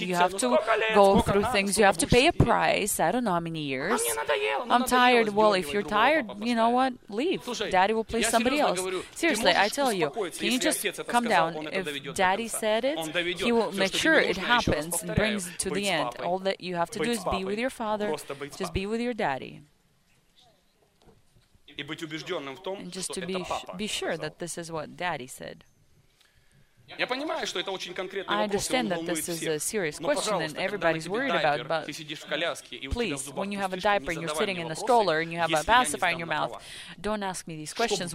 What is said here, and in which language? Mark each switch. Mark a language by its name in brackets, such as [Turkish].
[English] You have to go through things. You have to pay a price. I don't know how many years. I'm tired. Well, if you're tired, you know what? Leave. Daddy will place somebody else. Seriously, I tell you, can you just calm down? If daddy said it, he will make sure it happens and brings it to the end. All that you have to do is be with your father. Just be with your daddy. [Russian] И быть убежденным в том, что это папа. [English] Be sure that this is what daddy said. [Russian] Я понимаю, что это очень конкретный вопрос. [English] I understand that this is a serious question and everybody's worried about, but please, when you have a diaper and you're sitting in the stroller and you have a pacifier in your mouth, don't ask me these questions.